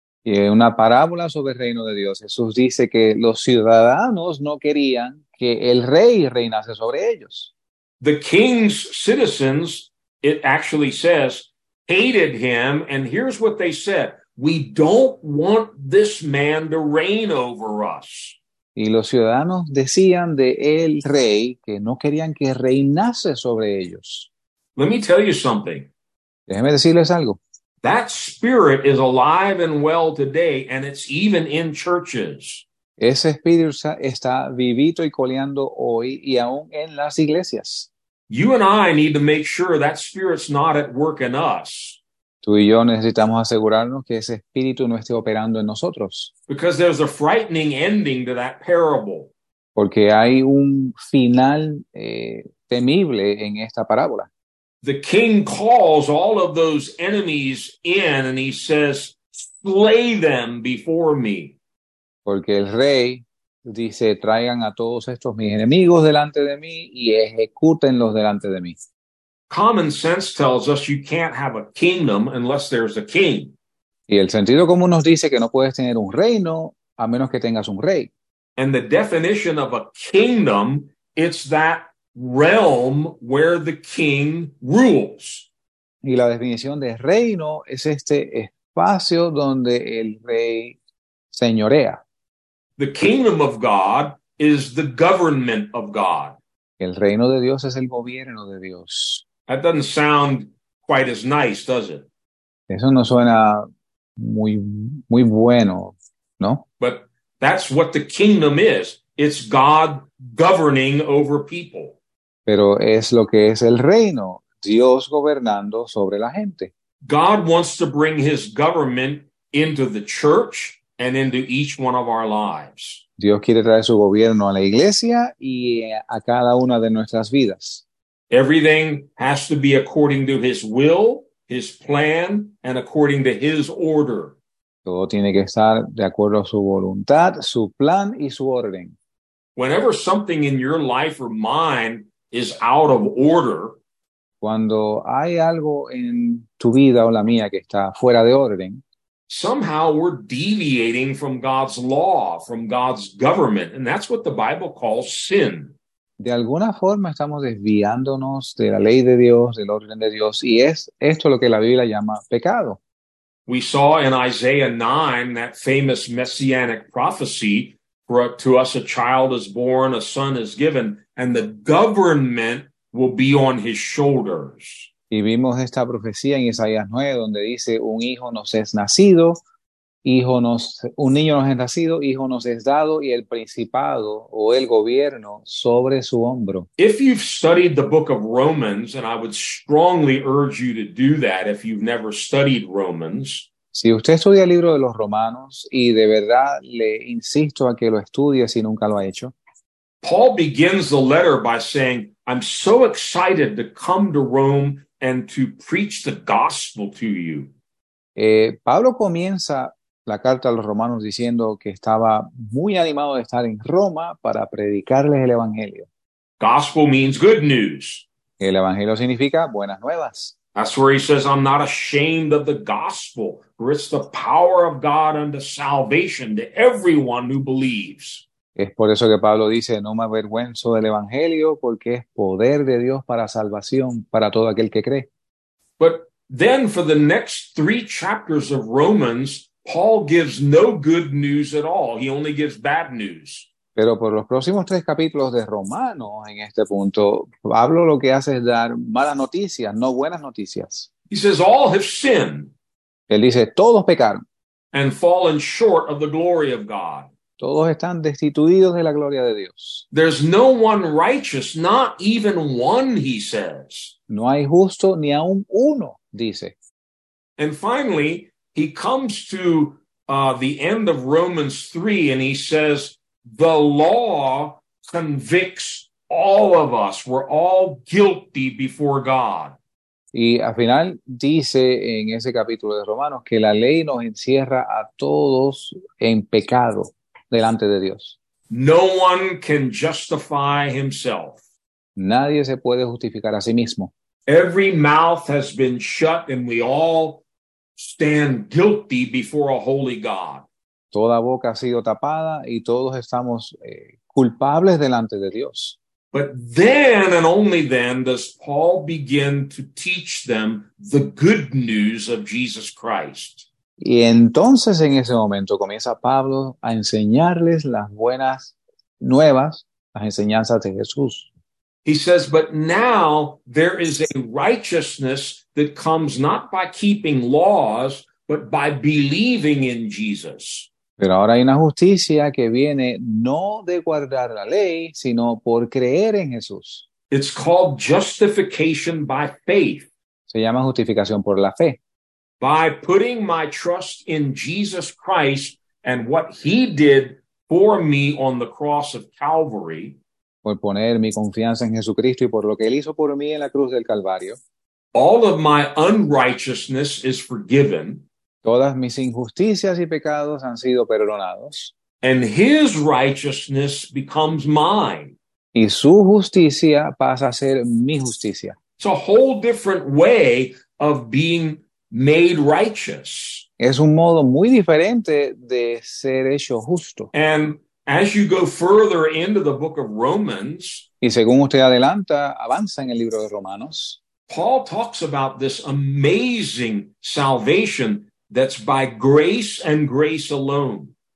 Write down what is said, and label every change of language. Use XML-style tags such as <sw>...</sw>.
<es>Y en una parábola sobre el reino de Dios, Jesús dice que los ciudadanos no querían que el rey reinase sobre ellos.</es> <en>The king's citizens, it actually says, hated him. And here's what they said. We don't want this man to reign over us.</en> <es>Y los ciudadanos decían de el rey que no querían que reinase sobre ellos.</es> <en>Let me tell you something.</en> <es>Déjeme decirles algo.</es> <en>That spirit is alive and well today, and it's even in churches.</en> <es>Ese espíritu está vivito y coleando hoy y aún en las iglesias.</es> <en>You and I need to make sure that spirit's not at work in us.</en> <es>Tú y yo necesitamos asegurarnos que ese espíritu no esté operando en nosotros.</es> <en>Because there's a frightening ending to that parable.</en> <es>Porque hay un final temible en esta parábola.</es> <en>The king calls all of those enemies in and he says, slay them before me.</en> <es>Porque el rey dice, traigan a todos estos mis enemigos delante de mí y ejecútenlos delante de mí.</es> <en>Common sense tells us you can't have a kingdom unless there's a king.</en> <es>Y el sentido común nos dice que no puedes tener un reino a menos que tengas un rey.</es> <en>And the definition of a kingdom, it's that realm where the king rules.</en> <es>Y la definición de reino es este espacio donde el rey señorea.</es> <en>The kingdom of God is the government of God.</en> <es>El reino de Dios es el gobierno de Dios.</es> <en>That doesn't sound quite as nice, does it?</en> <es>Eso no suena muy, muy bueno, ¿no?</es> <en>But that's what the kingdom is. It's God governing over people.</en> <es>Pero es lo que es el reino, Dios gobernando sobre la gente.</es> <en>God wants to bring his government into the church and into each one of our lives.</en> <es>Dios quiere traer su gobierno a la iglesia y a cada una de nuestras vidas.</es> <en>Everything has to be according to his will, his plan, and according to his order.</en> <es>Todo tiene que estar de acuerdo a su voluntad, su plan y su orden.</es> <en>Whenever something in your life or mine is out of order,</en> <es>cuando hay algo en tu vida o la mía que está fuera de orden,</es> <en>somehow we're deviating from God's law, from God's government, and that's what the Bible calls sin.</en> <es>De alguna forma estamos desviándonos de la ley de Dios, del orden de Dios, y es esto lo que la Biblia llama pecado.</es> <en>We saw in Isaiah 9 that famous messianic prophecy, for to us a child is born, a son is given, and the government will be on his shoulders.</en> <es>Y vimos esta profecía en Isaías 9, donde dice, un hijo nos es nacido, hijo nos, un niño nos es nacido, hijo nos es dado, y el principado o el gobierno sobre su hombro.</es> <en>If you've studied the book of Romans, and I would strongly urge you to do that if you've never studied Romans.</en> <es>Si usted estudia el libro de los Romanos, y de verdad le insisto a que lo estudie si nunca lo ha hecho.</es> <en>Paul begins the letter by saying, I'm so excited to come to Rome and to preach the gospel to you.</en> <es>Pablo comienza la carta a los romanos diciendo que estaba muy animado de estar en Roma para predicarles el evangelio.</es> <en>Gospel means good news.</en> <es>El evangelio significa buenas nuevas.</es> <en>That's where he says, I'm not ashamed of the gospel, for it's the power of God unto salvation to everyone who believes.</en> <es>Es por eso que Pablo dice, no me avergüenzo del evangelio, porque es poder de Dios para salvación para todo aquel que cree.</es> <en>But then for the next three chapters of Romans, Paul gives no good news at all. He only gives bad news.</en> <es>Pero por los próximos tres capítulos de Romanos, en este punto, Pablo lo que hace es dar malas noticias, no buenas noticias.</es> <en>He says, all have sinned.</en> <es>Él dice, todos pecaron.</es> <en>And fallen short of the glory of God.</en> <es>Todos están destituidos de la gloria de Dios.</es> <en>There's no one righteous, not even one, he says.</en> <es>No hay justo ni aun uno, dice.</es> <en>And finally, he comes to the end of Romans 3 and he says, the law convicts all of us. We're all guilty before God.</en> <es>Y al final dice en ese capítulo de Romanos que la ley nos encierra a todos en pecado. Delante de Dios.</es> <en>No one can justify himself.</en> <es>Nadie se puede justificar a sí mismo.</es> <en>Every mouth has been shut and we all stand guilty before a holy God.</en> <es>Toda boca ha sido tapada y todos estamos culpables delante de Dios.</es> <en>But then and only then does Paul begin to teach them the good news of Jesus Christ.</en> <es>Y entonces en ese momento comienza Pablo a enseñarles las buenas nuevas, las enseñanzas de Jesús.</es> <en>He says, but now there is a righteousness that comes not by keeping laws, but by believing in Jesus.</en> <es>Pero ahora hay una justicia que viene no de guardar la ley, sino por creer en Jesús.</es> <en>It's called justification by faith.</en> <es>Se llama justificación por la fe.</es> <en>by putting my trust in Jesus Christ and what he did for me on the cross of Calvary.</en> <es>Por poner mi confianza en Jesucristo y por lo que él hizo por mí en la cruz del Calvario.</es> <en>All of my unrighteousness is forgiven.</en> <es>Todas mis injusticias y pecados han sido perdonados.</es> <en>And his righteousness becomes mine.</en> <es>Y su justicia pasa a ser mi justicia.</es> <en>It's a whole different way of being made righteous.</en> <es>Es un modo muy diferente de ser hecho justo.</es> <en>And as you go further into the book of Romans,</en> <es>y según usted adelanta, avanza en el libro de Romanos,</es> <en>Paul talks about this amazing salvation that's by grace and grace alone.</en>